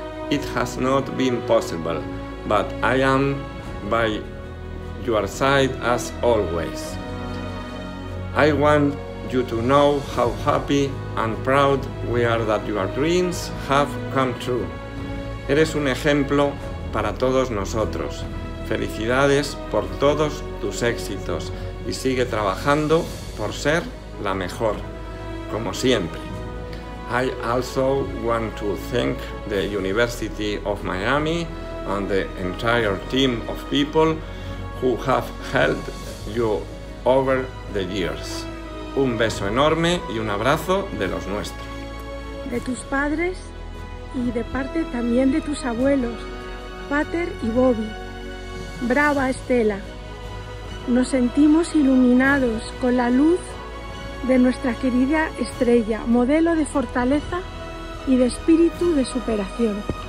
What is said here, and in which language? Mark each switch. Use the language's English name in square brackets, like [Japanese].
[English] It has not been possible, but I am by your side as always. I want you to know how happy and proud we are that your dreams have come true. [Spanish] Eres un ejemplo para todos nosotros. Felicidades por todos tus éxitos y sigue trabajando por ser la mejor, como siempre. [English] I also want to thank the University of Miami and the entire team of people who have helped you over the years. [Spanish] Un beso enorme y un abrazo de los nuestros. De tus padres y de parte también de tus abuelos, Pater y Bobby. Brava, Estela. Nos sentimos iluminados con la luz de nuestra querida estrella, modelo de fortaleza y de espíritu de superación.